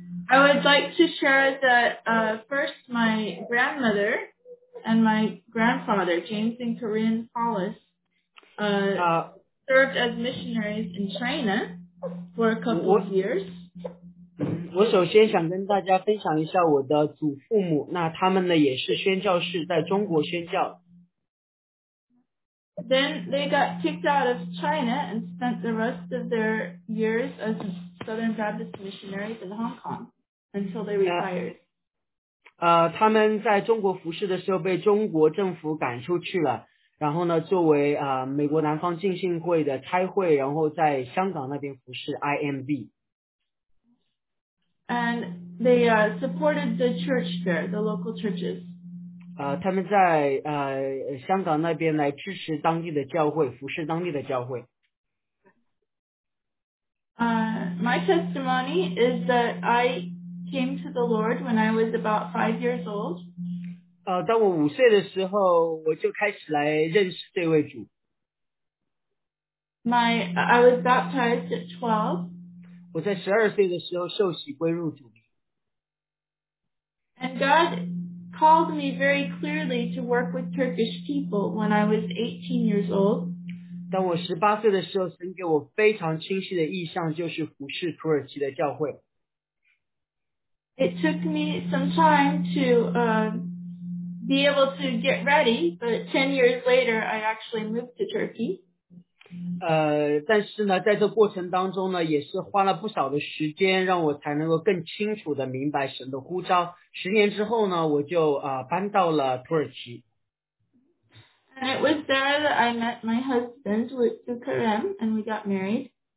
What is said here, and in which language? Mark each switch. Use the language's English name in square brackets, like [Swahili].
[English] I would like to share that first my grandmother and my grandfather, James and Corinne Hollis, served as missionaries in China for a couple of years. [Chinese] 我首先想跟大家分享一下我的祖父母，那他们呢也是宣教士，在中国宣教。 [English] Then they got kicked out of China and spent the rest of their years as Southern Baptist missionaries in Hong Kong until they retired. [Chinese] 他们在中国服侍的时候被中国政府赶出去了，然后呢，作为美国南方浸信会的差会，然后在香港那边服侍 IMB。 [English] And they supported the church there, the local churches. [Chinese] 他们在香港那边来支持当地的教会，服侍当地的教会。 [English] My testimony is that I came to the Lord when I was about 5 years old. [Chinese] 当我五岁的时候，我就开始来认识这位主。 [English] I was baptized at 12. [Chinese] 我在十二岁的时候受洗归入主名。 [English] And God called me very clearly to work with Turkish people when I was 18 years old. [Chinese] 当我十八岁的时候，神给我非常清晰的意象，就是服侍土耳其的教会。 [English] It took me some time to be able to get ready, but 10 years later, I actually moved to Turkey. [Chinese] 但是呢，在这过程当中呢，也是花了不少的时间，让我才能够更清楚的明白神的呼召。十年之后呢，我就搬到了土耳其。 [English] And it was there that I met my husband, with Ukrain, and we got married.